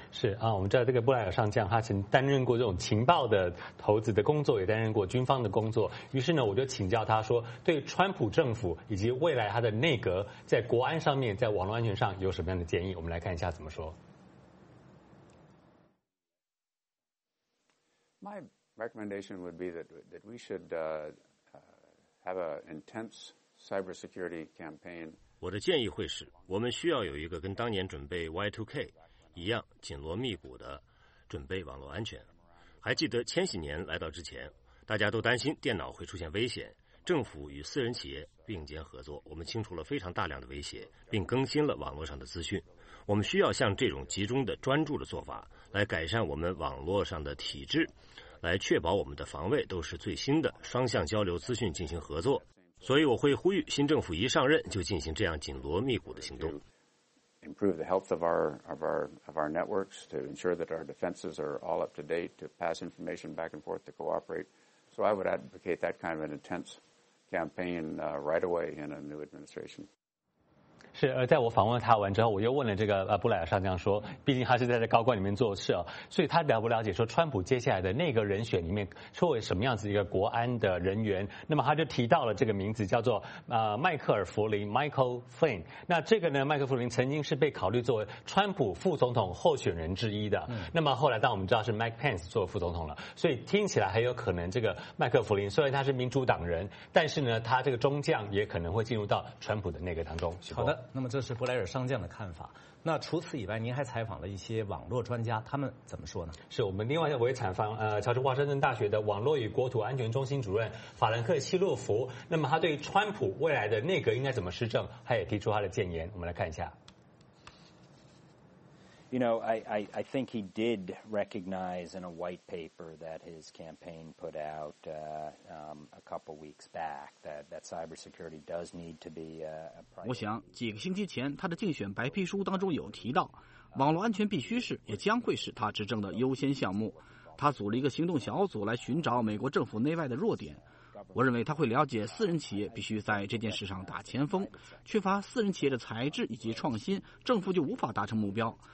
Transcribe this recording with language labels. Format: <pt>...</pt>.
<zh>是啊，我们知道这个布莱尔上将他曾担任过这种情报的投资的工作，也担任过军方的工作。于是呢，我就请教他说，对川普政府以及未来他的内阁在国安上面、在网络安全上有什么样的建议？我们来看一下怎么说。</zh> <en>My recommendation would be that we should have an intense cybersecurity campaign.</en> <zh>我的建议会是，我们需要有一个跟当年准备 Y2K 一样紧锣密鼓的准备网络安全。还记得千禧年来到之前，大家都担心电脑会出现危险，政府与私人企业并肩合作，我们清除了非常大量的威胁，并更新了网络上的资讯。我们需要像这种集中的专注的做法来改善我们网络上的体制，来确保我们的防卫都是最新的，双向交流资讯进行合作。所以我会呼吁新政府一上任就进行这样紧锣密鼓的行动。</zh> <en>Improve the health of our networks to ensure that our defenses are all up to date to pass information back and forth to cooperate. So I would advocate that kind of an intense campaign right away in a new administration.</en> <zh>是，在我访问他完之后，我又问了这个布莱尔上将说，毕竟他是在高官里面做事啊，所以他了不了解说川普接下来的那个人选里面会有什么样子一个国安的人员？那么他就提到了这个名字叫做迈克尔·弗林 （Michael Flynn）。那这个呢，迈克·弗林曾经是被考虑作为川普副总统候选人之一的。那么后来，当我们知道是 Mike Pence 做副总统了，所以听起来很有可能这个迈克·弗林虽然他是民主党人，但是呢，他这个中将也可能会进入到川普的内阁当中。好的。那么这是布莱尔上将的看法。那除此以外，您还采访了一些网络专家，他们怎么说呢？是我们另外我也采访乔治华盛顿大学的网络与国土安全中心主任法兰克·希洛弗。那么他对川普未来的内阁应该怎么施政，他也提出他的建言，我们来看一下。 You know, I think he did recognize in a white paper that his campaign put out a couple weeks back that cybersecurity does need to be a priority. 我想几个星期前他的竞选白皮书当中有提到，网络安全必须是也将会是他执政的优先项目。他组了一个行动小组来寻找美国政府内外的弱点。我认为他会了解私人企业必须在这件事上打前锋，缺乏私人企业的才智以及创新，政府就无法达成目标。</zh>